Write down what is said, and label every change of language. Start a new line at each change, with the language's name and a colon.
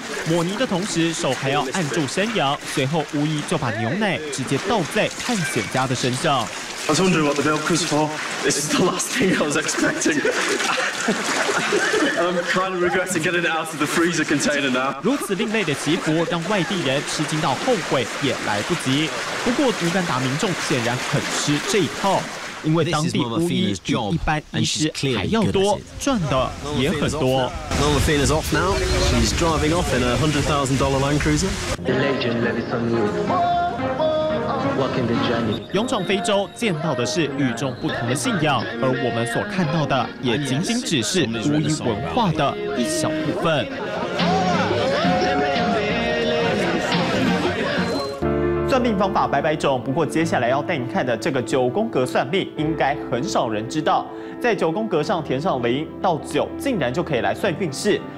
Chinese: 抹泥的同时，手还要按住山羊。随后，巫医就把牛奶直接倒在探险家的身上。
English: I was wondering what the milk was for. This is the last thing I was expecting. I'm kind of regretting getting it out of the freezer container now.
Chinese: 如此另类的祈福，让外地人吃惊到后悔也来不及。不过，乌干达民众显然很吃这一套。因为当地巫医比一般医师还要多，赚的也很多。
English: Norma Fina's off now. She's driving off in a $100,000 Land Cruiser. The legend lives on.
Chinese: 勇闯非洲见到的是与众不同的信仰，而我们所看到的也仅仅只是巫医文化的一小部分。算命方法百百种，不过接下来要带你看的这个九宫格算命应该很少人知道，在九宫格上填上零到九竟然就可以来算运势。